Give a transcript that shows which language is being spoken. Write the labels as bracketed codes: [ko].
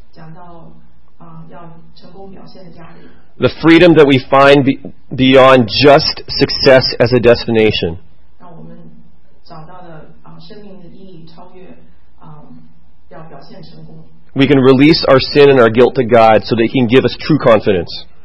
[zh] 讲到要成功表现的压力。 [en] The freedom that we find beyond just success as a destination. [zh] 让我们找到了生命的意义超越要表现成功。 [en] We can release our sin and our guilt to God so that He can give us true confidence.